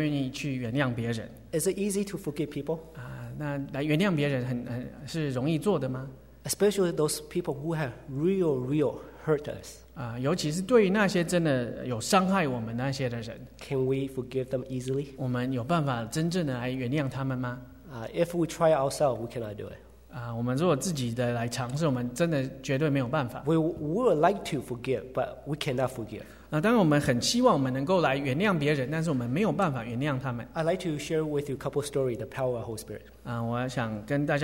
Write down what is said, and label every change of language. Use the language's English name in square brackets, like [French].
[Chinese] 有时候我们要别人来原谅我们，我们却不愿意去原谅别人。 [English] Is it easy to forgive people? [Chinese] 那来原谅别人是容易做的吗？ [English] Especially those people who have real hurt us. [Chinese] 尤其是对于那些真的有伤害我们那些的人。 [English] Can we forgive them easily? [Chinese] 我们有办法真正的来原谅他们吗？ [English] If we try ourselves, we cannot do it. [Chinese] 我们如果自己的来尝试，我们真的绝对没有办法。 [English] We would like to forgive, but we cannot forgive. [Chinese] 当然我们很希望我们能够来原谅别人，但是我们没有办法原谅他们。 [English] I'd like to share with you a couple of stories, the power of the Holy Spirit.